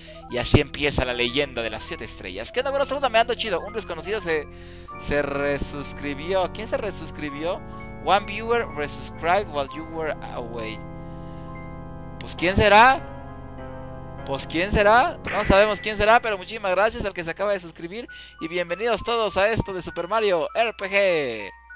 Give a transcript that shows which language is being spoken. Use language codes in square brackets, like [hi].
[es] Y así empieza la leyenda de las 7 estrellas. ¿Qué onda? Bueno, saluda, me ando chido. Un desconocido se resuscribió. ¿Quién se resuscribió? [en] One viewer resubscribed while you were away. [es] Pues, ¿quién será? Pues, ¿quién será? No sabemos quién será, pero muchísimas gracias al que se acaba de suscribir. Y bienvenidos todos a esto de Super Mario RPG.